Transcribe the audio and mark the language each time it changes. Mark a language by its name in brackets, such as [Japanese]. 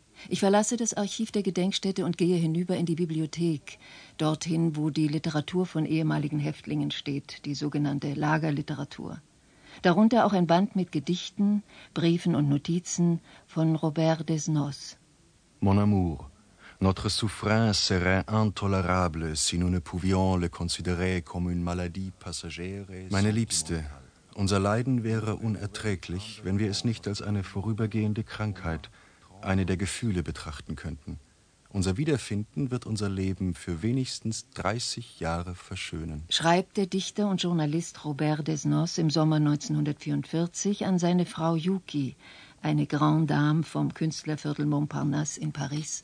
[German] Ich verlasse das Archiv der Gedenkstätte und gehe hinüber in die Bibliothek, dorthin, wo die Literatur von ehemaligen Häftlingen steht, die sogenannte Lagerliteratur. Darunter auch ein Band mit Gedichten, Briefen und Notizen von Robert Desnos. [French] Mon amour, notre souffrance serait intolerable si nous ne pouvions le considérer comme une maladie passagère. [German] Meine Liebste, unser Leiden wäre unerträglich, wenn wir es nicht als eine vorübergehende Krankheit, eine der Gefühle betrachten könnten. Unser Wiederfinden wird unser Leben für wenigstens 30 Jahre verschönen. Schreibt der Dichter und Journalist Robert Desnos im Sommer 1944 an seine Frau Yuki, eine Grande Dame vom Künstlerviertel Montparnasse in Paris.